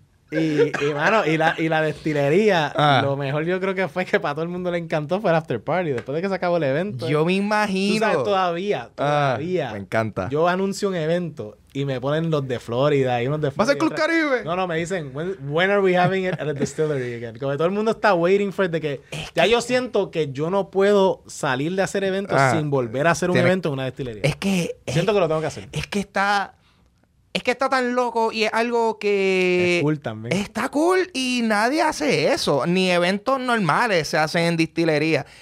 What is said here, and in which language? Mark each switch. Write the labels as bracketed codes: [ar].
[es] y mano, y la destilería, lo mejor yo creo que fue que para todo el mundo le encantó fue el after party, después de que se acabó el evento. Yo me imagino. Tú sabes, todavía. Me encanta. Yo anuncio un evento y me ponen los de Florida y unos de Florida. ¿Vas a Club Caribe? No, me dicen, [en] when are we having it at the distillery again? [es] Como todo el mundo está [en] waiting for it, [es] de que ya yo siento que yo no puedo salir de hacer eventos sin volver a hacer un evento en una destilería. Es que... Siento que lo tengo que hacer. Es que está tan loco y es algo que... Es cool también. Está cool y nadie hace eso. Ni eventos normales se hacen en distillería.